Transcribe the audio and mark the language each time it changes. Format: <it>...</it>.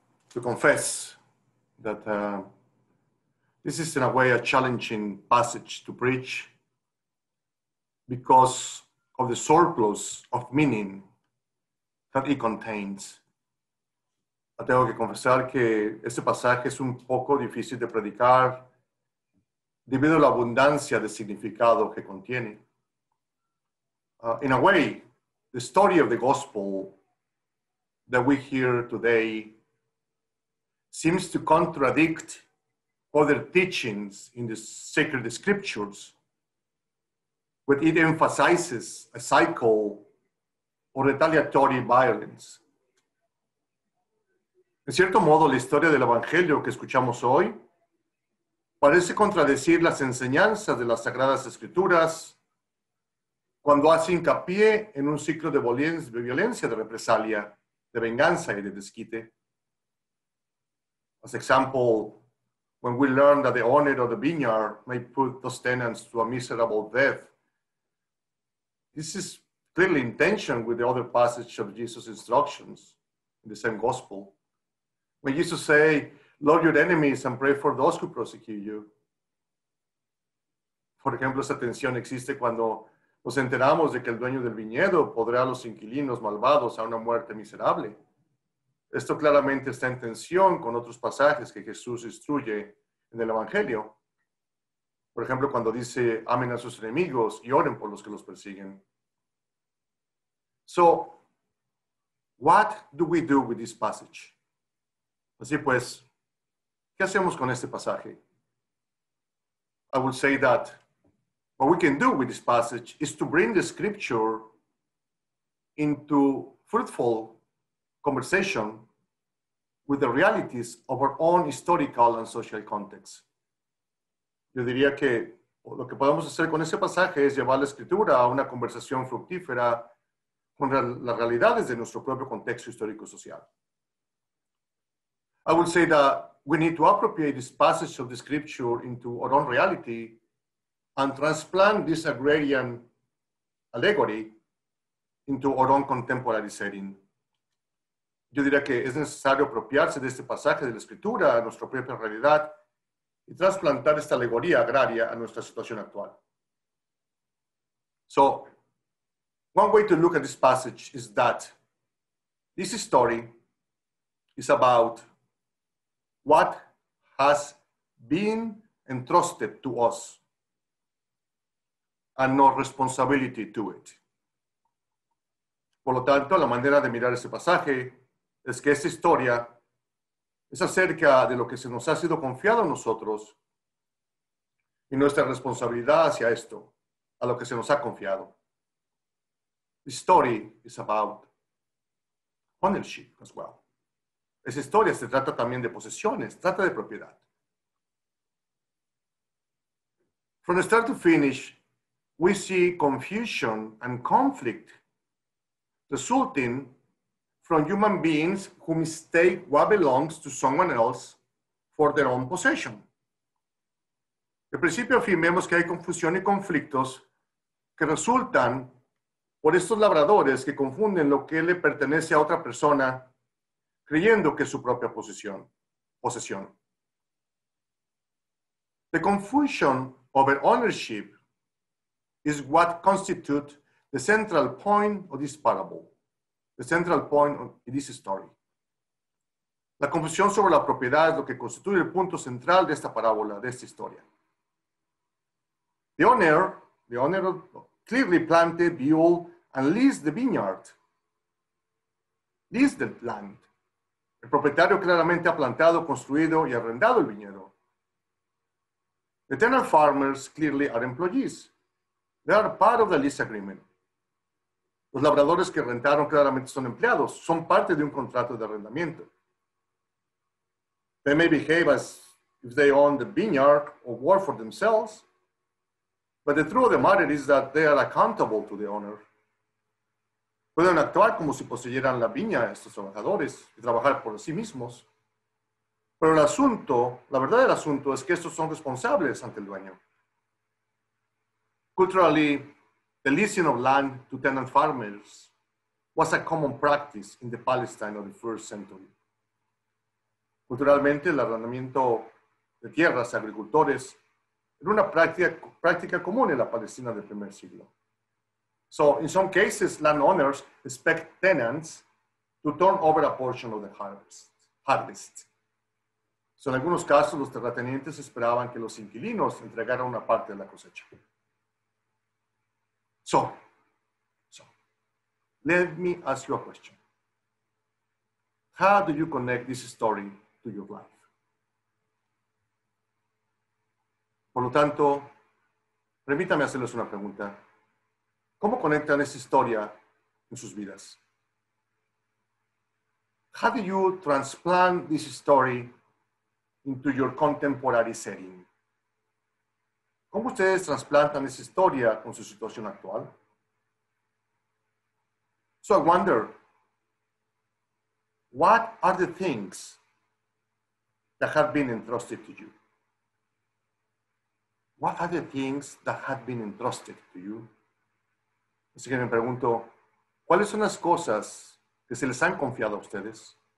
<en>to confess that this is, in a way, a challenging passage to preach because of the surplus of meaning that it contains.</en> <es>Tengo que confesar que este pasaje es un poco difícil de predicar debido a la abundancia de significado que contiene.</es> <en>In a way, the story of the gospel that we hear today seems to contradict other teachings in the sacred scriptures, where it emphasizes a cycle of retaliatory violence.</en> <es>En cierto modo, la historia del Evangelio que escuchamos hoy parece contradecir las enseñanzas de las Sagradas Escrituras cuando hace hincapié en un ciclo de violencia, de represalia, de venganza y de desquite.</es> <en>As example, when we learn that the owner of the vineyard may put those tenants to a miserable death, this is clearly in tension with the other passage of Jesus' instructions in the same gospel. When Jesus say, love your enemies and pray for those who persecute you.</en> <es>Por ejemplo, esa tensión existe cuando nos enteramos de que el dueño del viñedo podrá a los inquilinos malvados a una muerte miserable. Esto claramente está en tensión con otros pasajes que Jesús instruye en el Evangelio. Por ejemplo, cuando dice, amen a sus enemigos y oren por los que los persiguen.</es> <en>So, what do we do with this passage?</en> <es>Así pues, ¿qué hacemos con este pasaje?</es> <en>I would say that what we can do with this passage is to bring the scripture into fruitful conversation with the realities of our own historical and social context.</en> <es>Yo diría que lo que podemos hacer con ese pasaje es llevar la escritura a una conversación fructífera con las realidades de nuestro propio contexto histórico-social.</es> <en>I would say that we need to appropriate this passage of the scripture into our own reality and transplant this agrarian allegory into our own contemporary setting.</en> <es>Yo diría que es necesario apropiarse de este pasaje de la escritura a nuestra propia realidad y trasplantar esta alegoría agraria a nuestra situación actual.</es> <en>So, one way to look at this passage is that this story is about what has been entrusted to us and no responsibility to it.</en> <es>Por lo tanto, la manera de mirar ese pasaje es que esta historia es acerca de lo que se nos ha sido confiado a nosotros y nuestra responsabilidad hacia esto, a lo que se nos ha confiado.</es> <en>The story is about ownership as well.</en> <es>Esa historia se trata también de posesiones, trata de propiedad.</es> <en>From start to finish, we see confusion and conflict resulting from human beings who mistake what belongs to someone else for their own possession.</en> <es>De principio a fin vemos que hay confusión y conflictos que resultan por estos labradores que confunden lo que le pertenece a otra persona creyendo que es su propia posesión.</es> <en>The confusion over ownership is what constitutes the central point of this parable, the central point of this story.</en> <es>La confusión sobre la propiedad es lo que constituye el punto central de esta parábola, de esta historia.</es> <en>The owner clearly planted, built, and leased the vineyard, leased the land.</en> <es>El propietario claramente ha plantado, construido y arrendado el viñedo.</es> <en>The tenant farmers clearly are employees. They are part of the lease agreement.</en> <es>Los labradores que rentaron claramente son empleados, son parte de un contrato de arrendamiento.</es> <en>They may behave as if they own the vineyard or work for themselves, but the truth of the matter is that they are accountable to the owner.</en> <es>Pueden actuar como si poseyeran la viña estos trabajadores y trabajar por sí mismos. Pero el asunto, la verdad del asunto, es que estos son responsables ante el dueño.</es> <en>Culturally, the leasing of land to tenant farmers was a common practice in the Palestine of the first century.</en> <es>culturalmente el arrendamiento de tierras a agricultores era una práctica común en la Palestina del primer siglo.</es> <en>So, in some cases, landowners expect tenants to turn over a portion of the harvest.</en> <es>So, en algunos casos, los terratenientes esperaban que los inquilinos entregaran una parte de la cosecha.</es> <en>So, let me ask you a question. How do you connect this story to your life?</en> <es>Por lo tanto, permítame hacerles una pregunta. ¿Cómo conectan esa historia en sus vidas?</es> <en>How do you transplant this story into your contemporary setting?</en> <es>¿Cómo ustedes transplantan esa historia con su situación actual?</es> <en>So I wonder, what are the things that have been entrusted to you? What are the things that have been entrusted to you?</en> <es>Así que me pregunto, ¿cuáles son las cosas que se les han confiado a ustedes?</es>